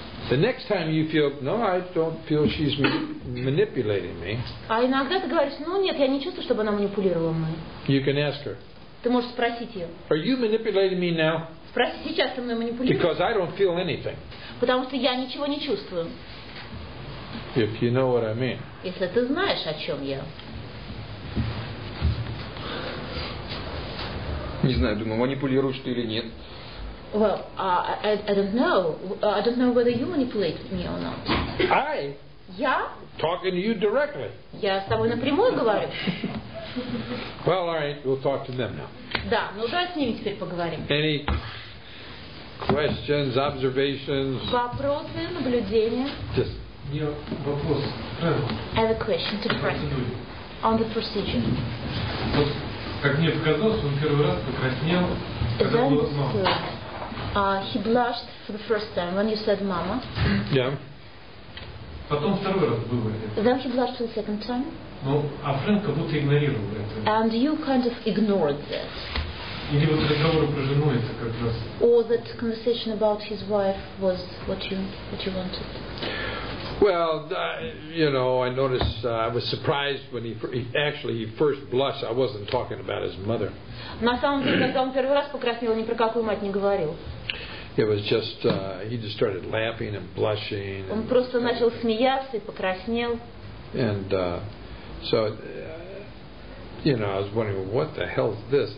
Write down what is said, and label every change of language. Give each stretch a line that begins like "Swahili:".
English: The next time you feel, no, I don't feel she's manipulating me.
Russian: А иногда ты говоришь, ну нет, я не чувствую, чтобы она манипулировала мной.
English: You can ask her.
Russian: Ты можешь спросить ее.
English: Are you manipulating me now?
Russian: Спроси сейчас, ты мной манипулируешь?
English: Because I don't feel anything.
Russian: Потому что я ничего не чувствую.
English: If you know what I mean.
Russian: Если ты знаешь, о чем я. Не знаю, думаю, манипулируешь ты или нет.
English: Well, I don't know. I don't know whether you manipulate me or not. I?
Russian: Я?
English: Talking to you directly.
Russian: Я с тобой напрямую говорю.
English: Well, all right, we'll talk to them now.
Russian: Да, ну давай с ними теперь поговорим.
English: Any questions, observations?
Russian: Вопросы, наблюдения?
English: Just.
Russian: Вопрос.
English: I have a question to Frank on the procedure.
Russian: Как мне показалось, он первый раз покраснел, когда он узнал.
English: He blushed for the first time when you said mama. Yeah.
Russian: Потом второй раз было.
English: Then he blushed for the second time.
Russian: Ну, а Фрэнк как будто игнорировал это.
English: And you kind of ignored this.
Russian: Или вот разговор про жену это как раз.
English: Or that conversation about his wife was what you wanted. Well, you know, I noticed, I was surprised when he first blushed. I wasn't talking about his mother.
Russian: На самом деле, когда он первый раз покраснел, ни про какую мать не говорил.
English: It was just, he just started laughing and blushing.
Russian: Он просто начал смеяться и покраснел.
English: And you know, I was wondering, well, what the hell is this?